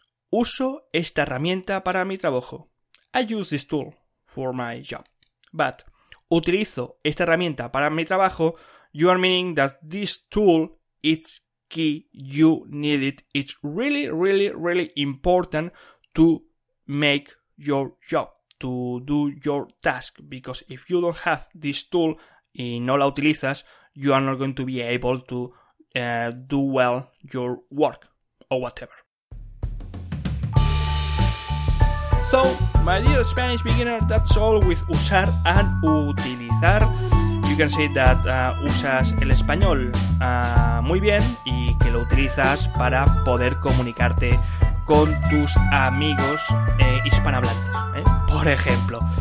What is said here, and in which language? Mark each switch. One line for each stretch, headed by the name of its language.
Spanish: Uso esta herramienta para mi trabajo.
English: I use this tool for my job. But,
Spanish: utilizo esta herramienta para mi trabajo,
English: you are meaning that this tool, it's key, you need it. It's really, really, really important to make your job, to do your task, because if you don't have this tool
Spanish: y no la utilizas,
English: you are not going to be able to do well your work or whatever. So, my dear Spanish beginner, that's all with usar and utilizar. You can say that
Spanish: usas el español muy bien y que lo utilizas para poder comunicarte con tus amigos hispanohablantes, por ejemplo.